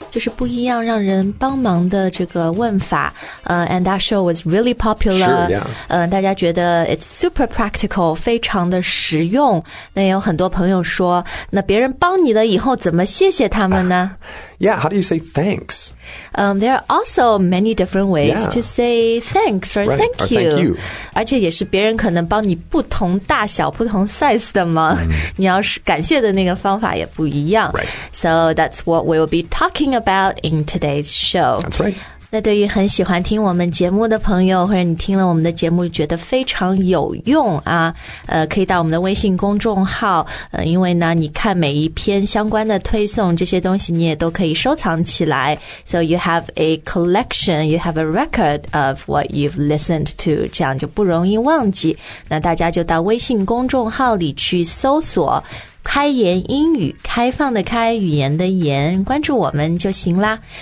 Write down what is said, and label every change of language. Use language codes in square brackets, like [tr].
[zh] 就是不一样让人帮忙的这个问法。 [en] And that show was really popular. Sure, yeah. [zh] 大家觉得 [en] it's super practical, [zh] 非常的实用。那有很多朋友说，那别人帮你了以后怎么谢谢他们呢？ [en] Yeah, how do you say thanks? There are also many different ways to say thanks or thank you. Thank you. [zh] 而且也是别人可能帮你不同大小、不同 size 的嘛。你要是感谢的那个方法也不一样。 [en] Right. So that's what we'll be talking about in today's show. That's right. [zh] 那对于很喜欢听我们节目的朋友，或者你听了我们的节目觉得非常有用啊，可以到我们的微信公众号，因为呢，你看每一篇相关的推送，这些东西你也都可以收藏起来。 [en] So you have a collection, you have a record of what you've listened to, [zh] 这样就不容易忘记。那大家就到微信公众号里去搜索开言英语，开放的开，语言的言，关注我们就行啦。